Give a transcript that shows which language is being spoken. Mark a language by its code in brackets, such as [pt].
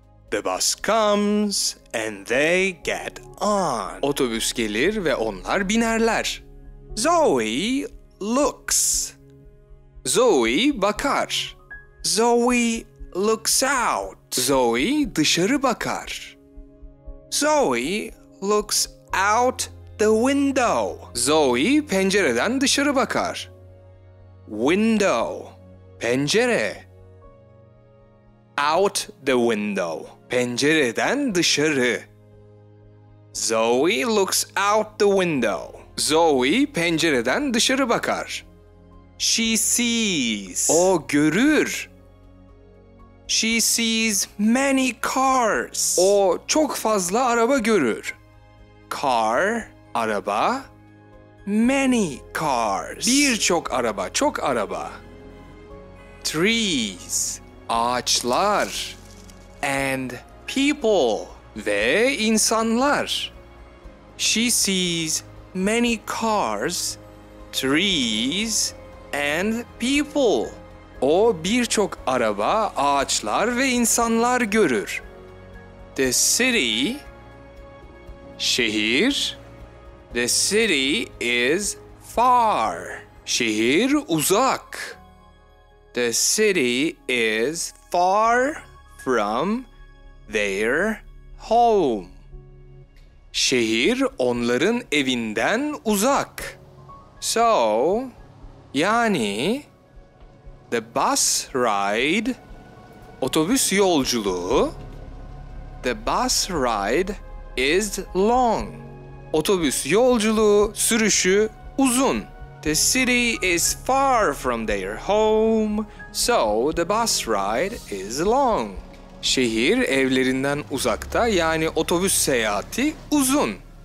[en] The bus comes and they get on. [tr] Otobüs gelir ve onlar binerler. [en] Zoe looks. [tr] Zoe bakar. [en] Zoe looks out. [tr] Zoe dışarı bakar. [en] Zoe looks out the window. [tr] Zoe pencereden dışarı bakar. [en] Window, [tr] pencere. [en] Out the window, [tr] pencereden dışarı. [en] Zoe looks out the window. [tr] Zoe pencereden dışarı bakar. [en] She sees. [tr] O görür. [en] She sees many cars. [tr] O çok fazla araba görür. [en] Car, [tr] araba. [en] Many cars. [tr] Birçok araba, çok araba. [en] Trees. [tr] Ağaçlar. [en] And people. [tr] Ve insanlar. [en] She sees many cars, trees, and people. [tr] O birçok araba, ağaçlar ve insanlar görür. [en] The city. [tr] Şehir. [en] The city is far. [tr] Şehir uzak. [en] The city is far from their home. [tr] Şehir onların evinden uzak. [en] So, yani the bus ride, [tr] otobüs yolculuğu, [en] the bus ride is long. [tr] Otobüs yolculuğu, sürüşü uzun. [en] The city is far from their home, so the bus ride is long. [tr] Şehir evlerinden uzakta, yani otobüs seyahati uzun.